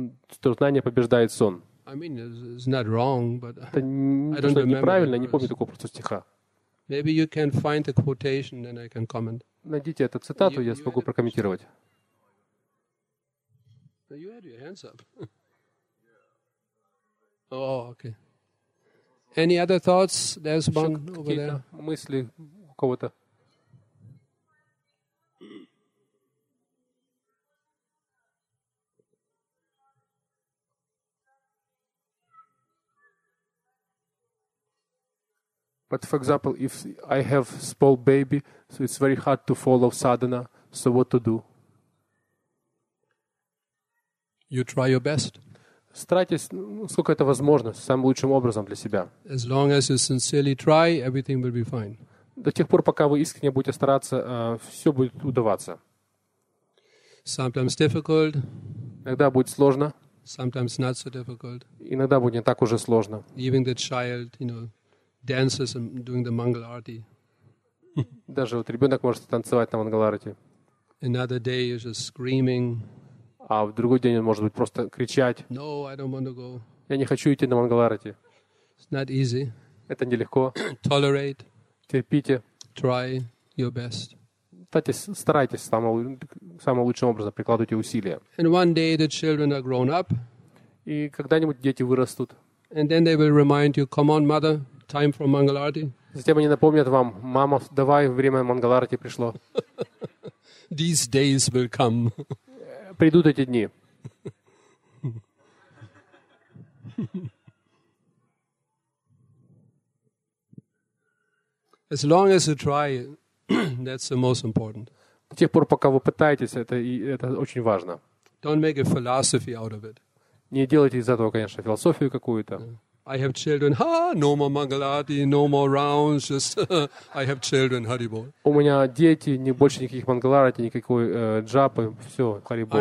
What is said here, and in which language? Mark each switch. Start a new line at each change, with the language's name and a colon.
Russian: Что знание побеждает сон.
English: I mean, it's not wrong, but
Russian: это
English: I don't remember.
Russian: Неправильно, не помню такого просто стиха.
English: Maybe you can find the quotation, then I can comment.
Russian: Найдите эту цитату, я смогу прокомментировать.
English: You had your hands up. Oh, okay. Any other thoughts? There's one over there.
Russian: Мысли у кого-то.
English: But for example, if I have small baby, so it's very hard to follow sadhana. So what to do? You try your best.
Russian: Старайтесь, сколько это возможно, самым лучшим образом для себя.
English: As long as you sincerely try, everything will be fine.
Russian: До тех пор, пока вы искренне будете стараться, все будет удаваться.
English: Sometimes difficult.
Russian: Иногда будет сложно.
English: Sometimes not so difficult.
Russian: Иногда будет не так уже сложно.
English: Even the child, you know. Dances and doing the Mangal Arati.
Russian: Даже вот ребенок может танцевать на Мангал Арати.
English: Another day is just screaming.
Russian: А в другой день он может быть просто кричать.
English: No, I don't want to go.
Russian: Я не хочу идти на Мангал Арати.
English: It's not easy.
Russian: Это нелегко.
English: Tolerate.
Russian: Терпите.
English: Try your best.
Russian: Старайтесь самым лучшим образом, прикладывайте усилия.
English: And one day the children are grown up.
Russian: И когда-нибудь дети вырастут.
English: And then they will remind you, come on, mother. Time for Mangal Arati.
Russian: Затем они напомнят вам, мама, давай, время Мангал Арати пришло.
English: These days will come.
Russian: Придут эти дни.
English: As long as you try, that's the most important.
Russian: До тех пор, пока вы пытаетесь, это очень важно.
English: Don't make a philosophy out of it.
Russian: Не делайте из этого, конечно, философию какую-то.
English: I have children. Ha! No more mangalati, no more rounds. Just I have children. Haribol.
Russian: У меня дети, не больше никаких мангаларати, никакой джапы, все, Харибол.